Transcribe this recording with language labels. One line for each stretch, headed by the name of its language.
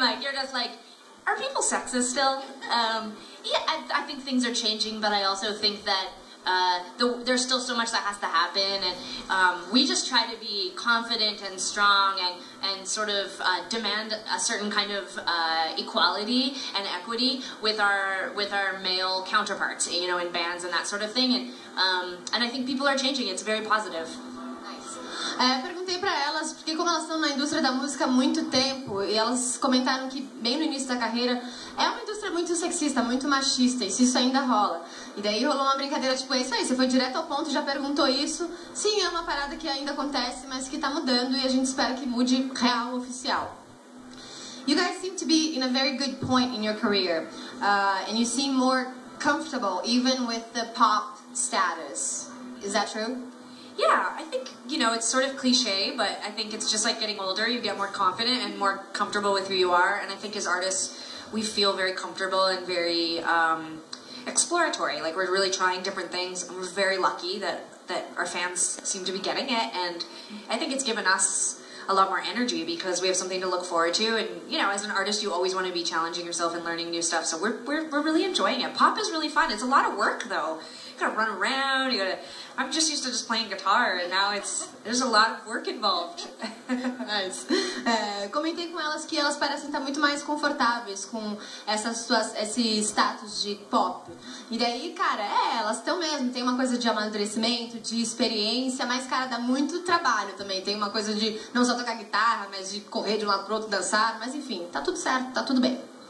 English: Like, you're just like, are people sexist still? I think things are changing, but I also think that there's still so much that has to happen. And we just try to be confident and strong and sort of demand a certain kind of equality and equity with our male counterparts, you know, in bands and that sort of thing. And I think people are changing. It's very positive.
Portuguese: Perguntei pra elas, porque como elas estão na indústria da música há muito tempo, e elas comentaram que bem no início da carreira, é uma indústria muito sexista, muito machista, e se isso ainda rola. E daí rolou uma brincadeira tipo, é isso aí, você foi direto ao ponto, já perguntou isso. Sim, é uma parada que ainda acontece, mas que tá mudando, e a gente espera que mude real, oficial.
English: You guys seem to be in a very good point in your career, and you seem more comfortable, even with the pop status. Is that true? Yeah, I think, you know, it's sort of cliche, but I think it's just like getting older, you get more confident and more comfortable with who you are, and I think as artists, we feel very comfortable and very exploratory, like we're really trying different things, and we're very lucky that our fans seem to be getting it, and I think it's given us a lot more energy because we have something to look forward to, and, you know, as an artist, you always want to be challenging yourself and learning new stuff, so we're really enjoying it. Pop is really fun. It's a lot of work, though. You gotta run around, I'm just used to just playing guitar, and now there's a lot of work involved. Nice.
Portuguese: Comentei com elas que elas parecem estar muito mais confortáveis com esse status de pop. E daí, cara, elas estão mesmo, tem uma coisa de amadurecimento, de experiência, mas, cara, dá muito trabalho também. Tem uma coisa de não só tocar guitarra, mas de correr de um lado pro outro, dançar, mas enfim, tá tudo certo, tá tudo bem.